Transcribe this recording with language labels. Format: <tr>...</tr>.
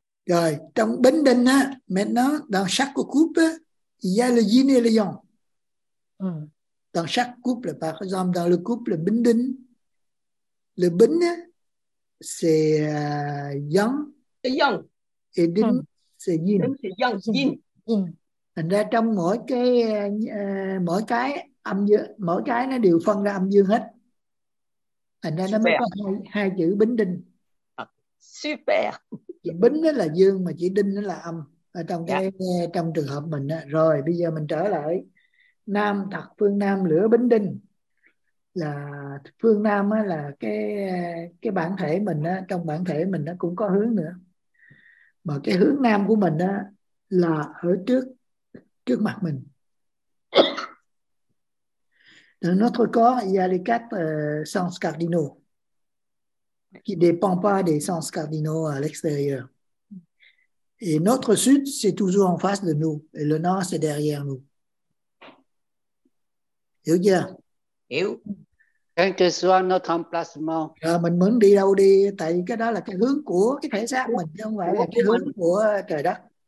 <vi>Rồi, trong Bình Đình á,</vi> <fr>maintenant, dans chaque couple, il y a le yin et le yang. Dans chaque couple, par exemple, dans le couple Bình Đình, le Bình, c'est yang. C'est yang. Et Đình, c'est yin. C'est yang, yin.</fr> <vi>Thành ra trong mỗi cái âm dương, mỗi cái nó đều phân ra âm dương hết. Thành ra nó mới có hai chữ Bình Đình.</vi> <fr>Super.</fr> <vi>Bính là dương mà chỉ đinh là âm ở trong trong trường hợp mình đó. Rồi bây giờ mình trở lại Nam Thật Phương Nam Lửa Bính Đinh là Phương Nam là cái bản thể mình đó. Trong bản thể mình nó cũng có hướng nữa mà cái hướng Nam của mình đó là ở trước mặt mình.</vi> <fr>Dans notre corps il y a les quatre sens cardinaux qui ne dépend pas des sens cardinaux à l'extérieur. Et notre sud, c'est toujours en face de nous. Et le nord, c'est derrière nous.</fr> <vi>Hiểu chưa? Hiểu.</vi> <fr>Quel que soit notre emplacement.</fr> <vi>Mình muốn đi đâu đi, tại vì cái đó là cái hướng của cái thể xác mình, chứ không phải là cái hướng của trời đất.</vi>